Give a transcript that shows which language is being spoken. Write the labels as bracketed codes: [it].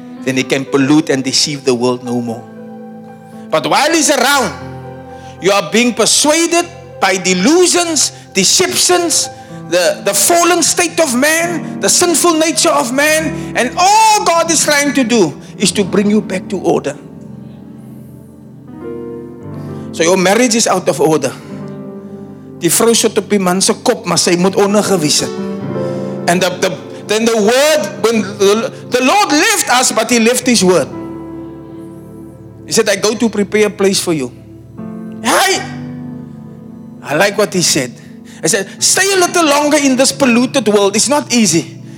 [en] Then he can pollute and deceive the world no more. But while he's around, you are being persuaded by delusions, deceptions, the fallen state of man, the sinful nature of man. And all God is trying to do is to bring you back to order. So your marriage is out of order. [af] Die vrou sit op die man se kop, maar sy moet ondergewys het. [en] And then the word, when the Lord left us, but he left his word. He said, I go to prepare a place for you. Hey! I like what he said. I said, stay a little longer in this polluted world. It's not easy.